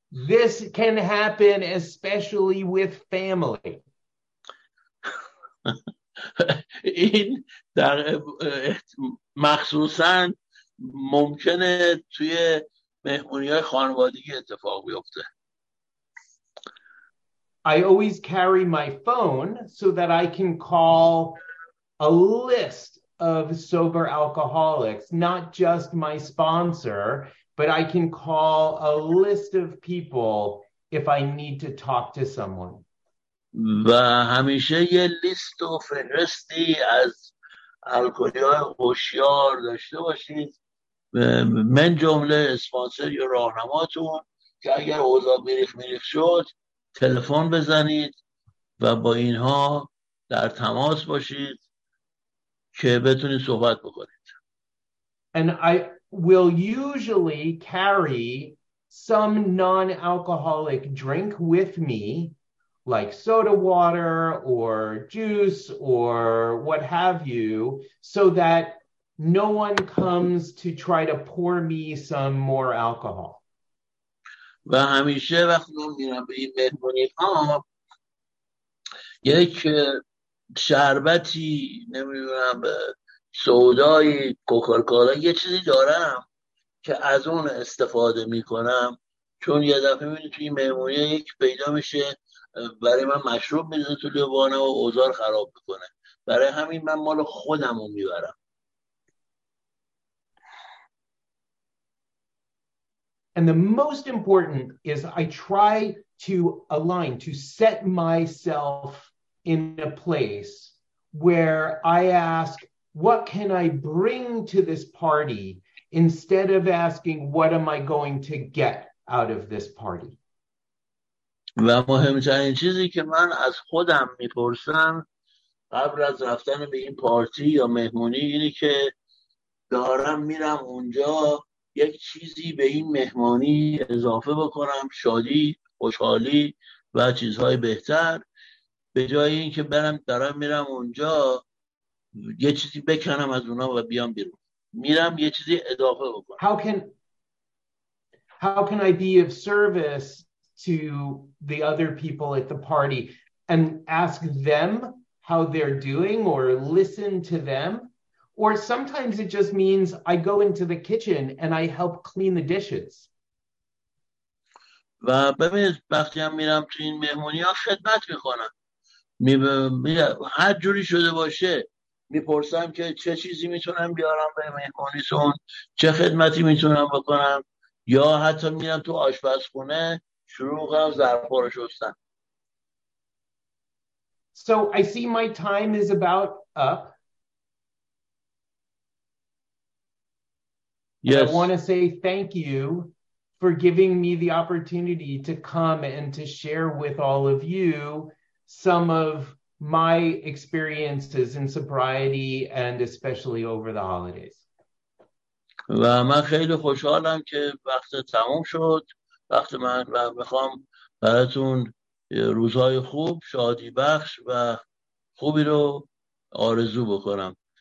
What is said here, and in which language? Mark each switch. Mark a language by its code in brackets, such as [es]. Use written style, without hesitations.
[en] This can happen especially with family. [fa] این در مخصوصا ممکنه توی مهمونی های خانوادگی اتفاق بیفته. [en] I always carry my phone so that I can call a list of sober alcoholics, not just my sponsor, but I can call a list of people if I need to talk to someone. [fa] و همیشه یه لیست و فهرستی از الکلی‌های هوشیار داشته باشید، من جمله اسپانسر یا راهنماتون، که اگر اوضاع میریخ میریخ شد تلفن بزنید و با اینها در تماس باشید که بتونید صحبت بکنید. [en] And I will usually carry some non-alcoholic drink with me, like soda water or juice or what have you, so that no one comes to try to pour me some more alcohol. [fa] و همیشه وقتی میرم به این مهمونی ها یک شربتی، نمیدونم، سودای کوکاکولا، یه چیزی دارم که از اون استفاده میکنم، چون یه دفعه میبینی توی این مهمونی یک پیدا میشه برای من مشروب میزنه تو لیوانه و اوضاع خراب میکنه، برای همین من مال خودم رو میبرم. [en] And the most important is I try to align, to set myself in a place where I ask, what can I bring to this party, instead of asking, what am I going to get out of this party? [fa] و مهمترین چیزی که من از خودم میپرسم قبل از رفتن به این پارتی یا مهمونی اینه که دارم میرم اونجا یک چیزی به این مهمانی اضافه بکنم، شادی، خوشحالی و چیزهای بهتر، به جای اینکه برم دارم میرم اونجا یه چیزی بکنم از اونا و بیام بیرون، میرم یه چیزی اضافه بکنم. [en] How can I be of service to the other people at the party and ask them how they're doing or listen to them? Or sometimes it just means I go into the kitchen and I help clean the dishes. [fa] و ببینید وقتی هم میرم تو این مهمونی ها خدمت میکنم. هر جوری شده باشه میپرسم که چه چیزی میتونم بیارم به مهمونیتون، چه خدمتی میتونم بکنم، یا حتی میرم تو آشپزخونه شروع کنم ظرفا رو شستن. [en] So I see my time is about up. Yes. I want to say thank you for giving me the opportunity to come and to share with all of you some of my experiences in sobriety and especially over the holidays. [fa] و من خیلی خوشحالم که وقت تموم شد. وقت من و میخوام براتون روزهای خوب، شادی بخش و خوبی رو آرزو بکنم.